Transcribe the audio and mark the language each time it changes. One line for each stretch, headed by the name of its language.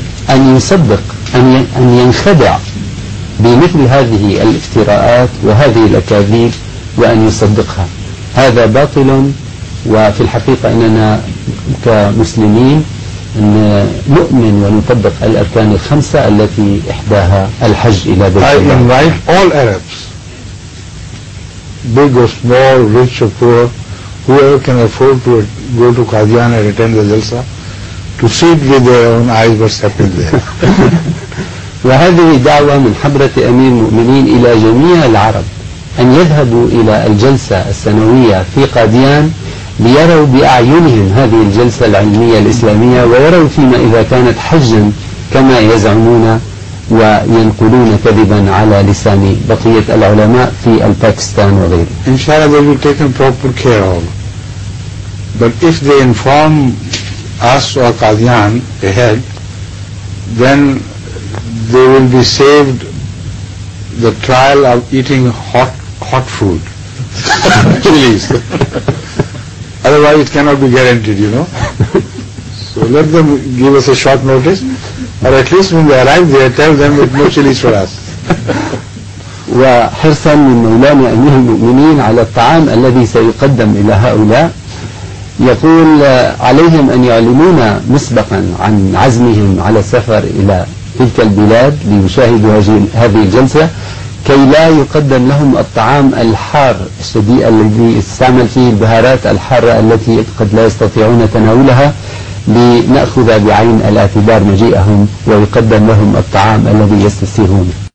Arabic: أن يصدق أن ينخدع بمثل هذه الافتراءات وهذه الأكاذيب وأن يصدقها؟ هذا باطل، وفي الحقيقة أننا كمسلمين نؤمن ونطبق الأركان الخمسة التي إحداها الحج إلى بيت الله.
English: I invite all Arabs, big or small, rich or poor, whoever can afford to go to Qadian and attend the Jalsa, to see with their own eyes what's happened there.
Arabic: وهذه دعوة من حضرة أمير المؤمنين إلى جميع العرب أن يذهبوا إلى الجلسة السنوية في قاديان ليروا بأعينهم هذه الجلسة العلمية الإسلامية، ويروا فيما إذا كانت حجا كما يزعمون وينقلون كذبا على لسان بقية العلماء في الباكستان وغيره. إن شاء الله
English: they will take proper care of. But if they inform us or Qadian ahead, then they will be saved the trial of eating hot food, chilies. Otherwise it cannot be guaranteed, you know. So let them give us a short notice, or at least when they arrive there, tell them that no chilies for us.
Arabic: وحرصا من مولانا أمير المؤمنين على الطعام الذي سيقدم إلى هؤلاء، يقول عليهم أن يعلمونا مسبقا عن عزمهم على السفر إلى تلك البلاد ليشاهدوا هذه الجلسة، كي لا يقدم لهم الطعام الحار الشديد الذي استعمل فيه البهارات الحارة التي قد لا يستطيعون تناولها، لنأخذ بعين الاعتبار مجيئهم ويقدم لهم الطعام الذي يستسيغونه.